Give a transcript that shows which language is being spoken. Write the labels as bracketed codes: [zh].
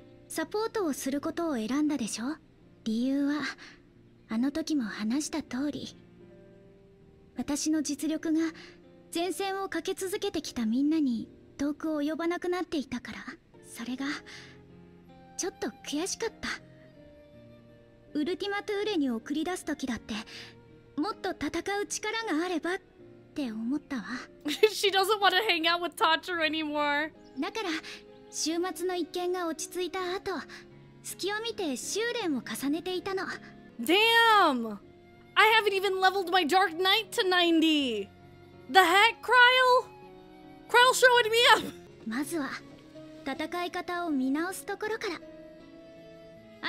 [ja] サポートをすることを選んだでしょ。理由はあの時も話した通り、私の実力が前線をかけ続けてきたみんなに遠く及ばなくなっていたから、それがちょっと悔しかった。ウルティマトゥーレに送り出す時だってもっと戦う力があればって思ったわ。 [en] She doesn't want to hang out with Tatcher anymore. [ja] だから週末の一件が落ち着いた後、隙を見て修練を重ねていたの。 [en] Damn! I haven't even leveled my Dark Knight to 90! The heck, Kryl? Kryl showing me up! [ja] まずは、戦い方を見直すところから。